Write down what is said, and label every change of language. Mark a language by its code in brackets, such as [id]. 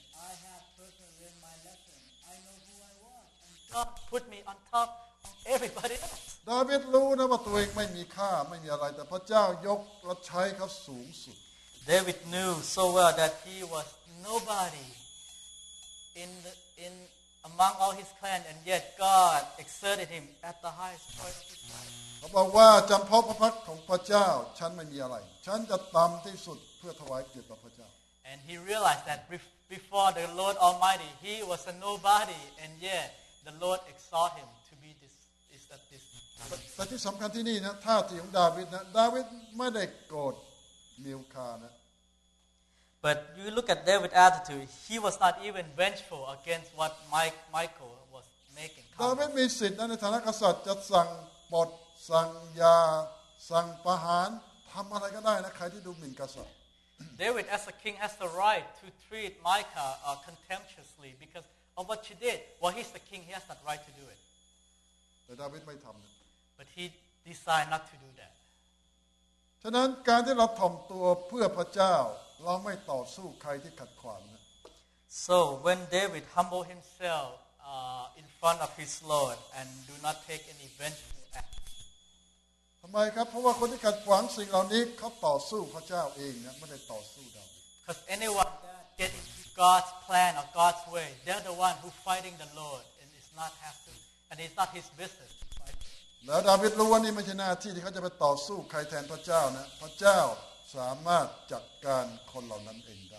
[en] I have personally learned my lesson I know who I was and God put me on top of everybody else [th] ดาวิดรู้นะว่าตัวเองไม่มีค่าไม่มีอะไรแต่พระเจ้ายกและใช้เขาสูงสุด [en] David knew so well that he was nobody in among all his clan and yet God exerted him at the highest point of his life [th] เขาบอกว่าจำเพาะพระพักของพระเจ้าฉันไม่มีอะไรฉันจะต่ำที่สุดเพื่อถวายเกียรติต่อพระเจ้า [en] And he realized that before the Lord Almighty he was a nobody and yet the Lord exalted him to be this is at this [th] แต่ที่สำคัญที่นี่นะท่าทีของดาวิดนะดาวิดไม่ได้โกรธมิลคานะ [en] But you look at David's attitude he was not even vengeful against what Michal was making [th] ดาวิดมีสิทธิ์นะในฐานะกษัตริย์จะสั่งปลดสั่งยาสั่งประหารทำอะไรก็ได้นะใครที่ดูหมิ่นกษัตริย์ [en] David as a king has the right to treat Michal contemptuously because of what she did well he's the king he has that right to do it [th] แต่ดาวิดไม่ทำนะ [en] But he decided not to do that [th] ฉะนั้นการที่เราถ่อมตัวเพื่อพระเจ้าเราไม่ต่อสู้ใครที่ขัดขวางนะ [en] So when David humbled himself in front of his Lord and do not take any vengeance [th] ทำไมครับเพราะว่าคนที่ขัดขวางสิ่งเหล่านี้เขาต่อสู้พระเจ้าเองนะไม่ได้ต่อสู้ดาวิด [en] Because anyone that get into God's plan or God's way they're the one who fighting the Lord and it's not have to and it's not his business [th] แล้วดาวิดรู้ว่านี่ไม่ใช่หน้าที่ที่เขาจะไปต่อสู้ใครแทนพระเจ้านะพระเจ้าสามารถจัดการคนเหล่านั้นเองได